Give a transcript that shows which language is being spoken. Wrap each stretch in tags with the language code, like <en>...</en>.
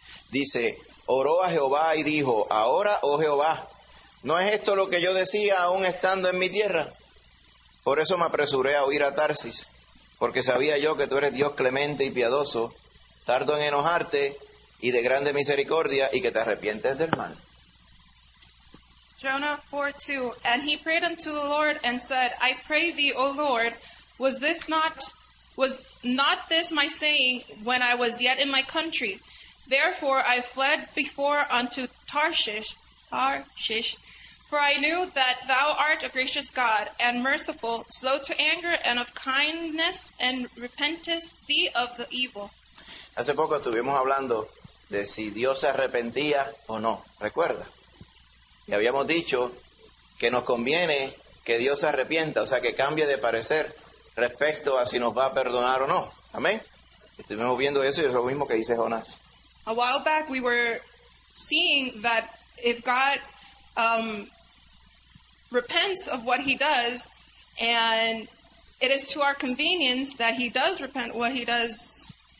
<es>Dice, oró a Jehová y dijo, ahora, oh Jehová, ¿no es esto lo que yo decía aún estando en mi tierra? Por eso me apresuré a huir a Tarsis. Porque sabía yo que tú eres Dios clemente y piadoso, tardo en enojarte y de grande misericordia, y que te arrepientes del mal.</es> <en>Jonah 4:2. And he prayed unto the Lord and said, I pray thee, O Lord, was not this my saying when I was yet in my country? Therefore I fled before unto Tarshish. For I knew that thou art a gracious God, and merciful, slow to anger, and of kindness, and repentest thee of the evil.</en> <es>Hace poco estuvimos hablando de si Dios se arrepentía o no. ¿Recuerda? Y habíamos dicho que nos conviene que Dios se arrepienta, o sea, que cambie de parecer respecto a si nos va a perdonar o no. ¿Amén? Estuvimos viendo eso y es lo mismo que dice Jonás.</es> <en>A while back we were seeing that if God repents of what he does, and it is to our convenience that he does repent what he does</en>